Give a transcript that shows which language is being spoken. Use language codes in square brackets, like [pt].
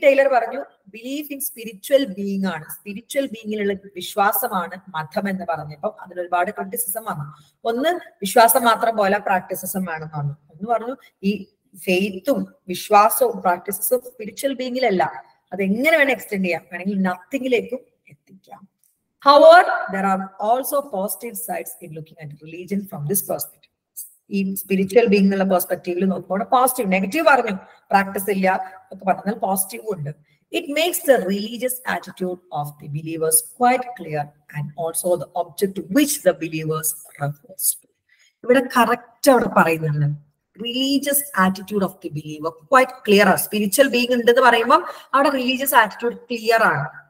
[ml] Taylor പറഞ്ഞു [en] belief in spiritual being [ml] ആണ്, spiritual ബീങ്ങിലുള്ള വിശ്വാസമാണ് മഠം എന്ന് പറഞ്ഞപ്പോൾ അതിൽ ഒരുപാട് ക്രിറ്റിസിസം വന്നു. ഒന്ന്, വിശ്വാസം മാത്രം പോലെ പ്രാക്ടീസസും വേണമെന്ന് പറഞ്ഞു. ഒന്ന് പറഞ്ഞു ഈ ഫെയ്ത്തും വിശ്വാസവും പ്രാക്ടീസസും സ്പിരിച്വൽ ബീങ്ങിലല്ല, അതെങ്ങനെ വേണേ എക്സ്റ്റെൻഡ് ചെയ്യാം, വേണമെങ്കിൽ നത്തിങ്ങിലേക്കും എത്തിക്കാം. [en] However, there are also positive sides in looking at religion from this perspective. [ml] ഈ സ്പിരിച്വൽ ബീങ് എന്നുള്ള പെർസ്പെക്ടീവില് നോക്കുമ്പോൾ പോസിറ്റീവ്, നെഗറ്റീവ് പറഞ്ഞു പ്രാക്ടീസ് ഇല്ല ഒക്കെ പറഞ്ഞാൽ പോസിറ്റീവ് ഉണ്ട്. [en] It makes the religious attitude of the believers quite clear and also the object which the believers refers to. [ml] ഇവിടെ correct അവിടെ പറയുന്നുണ്ട് [en] religious attitude of the believer quite clear. [ml] Spiritual being ഉണ്ടെന്ന് പറയുമ്പോൾ അവിടെ റിലീജിയസ് ആറ്റിറ്റ്യൂഡ് ക്ലിയർ ആണ്.